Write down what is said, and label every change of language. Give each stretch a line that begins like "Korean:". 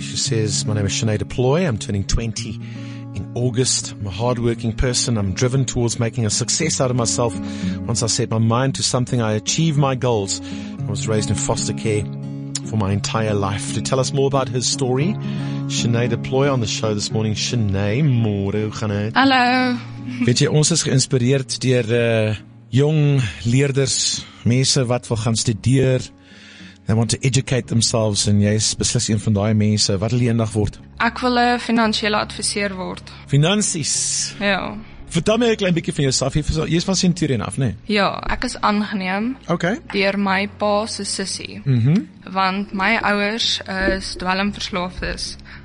English: She says, my name is Shanae DePloy. I'm turning 20 in August. I'm a hardworking person. I'm driven towards making a success out of myself. Once I set my mind to something, I achieve my goals. I was raised in foster care for my entire life. To tell us more about her story, Shanae DePloy on the show this morning.
Afrikaans: Shanae, more, hoe gaan het? Hallo. Weet jy, ons is geïnspireerd deur jong leerders, mense wat wil gaan studeer.
English: They want to educate themselves and
Afrikaans: jy's beslis een van daai mense. Wat wil jy eendag word? Ek wil 'n finansiële adviseur word. Finansies. Ja. Vertel my 'n klein bietjie van jouself. Jy's van Centurion af, né? Ja, ek is aangeneem. Okay. Deur my pa se sussie. Mm-hmm. Want my ouers is dwelmverslaafdes.